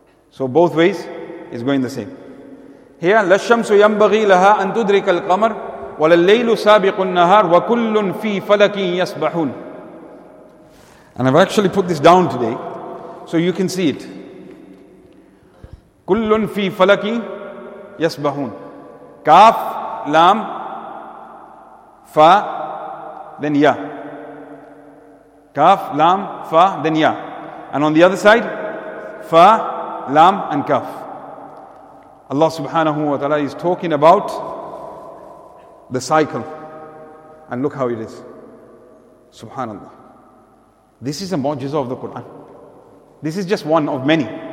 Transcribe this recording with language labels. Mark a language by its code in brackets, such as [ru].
[en] So both ways is going the same. [ar] Here, لَالشَّمْسُ يَنْبَغِي لَهَا أَن تُدْرِكَ الْقَمَرِ وَلَلَّيْلُ سَابِقُ النَّهَارِ وَكُلٌّ فِي فَلَكٍ يَسْبَحُونَ. [en] And I've actually put this down today, so you can see it. [ar] كُلٌّ فِي فَلَكٍ يَسْبَحُونَ. كَاف, لَام, فَا, then يَا. كَاف, لَام, فَا, then يَا. [en] And on the other side, فَا, لَام, and كَاف. Allah subhanahu wa ta'ala is talking about the cycle. And look how it is. Subhanallah. This is a mu'jiza of the Quran. This is just one of many.